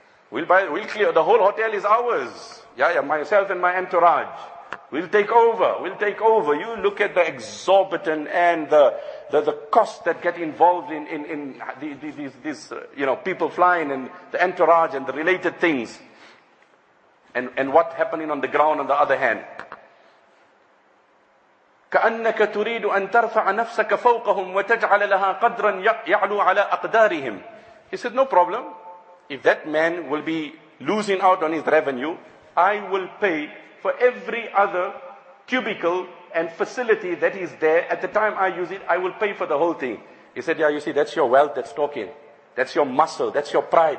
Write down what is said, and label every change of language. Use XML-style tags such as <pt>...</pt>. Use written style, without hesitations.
<en>We'll clear, the whole hotel is ours. Yeah, myself and my entourage. We'll take over. We'll take over. You look at the exorbitant and the cost that get involved in these people flying and the entourage and the related things. And what happening on the ground on the other hand.</en> <ar>كأنك تريد أن ترفع نفسك فوقهم وتجعل لها قدرا يعلو على أقدارهم.</ar> <en>He said, no problem. If that man will be losing out on his revenue, I will pay for every other cubicle and facility that is there. At the time I use it, I will pay for the whole thing. He said, yeah, you see, that's your wealth that's talking. That's your muscle. That's your pride.</en>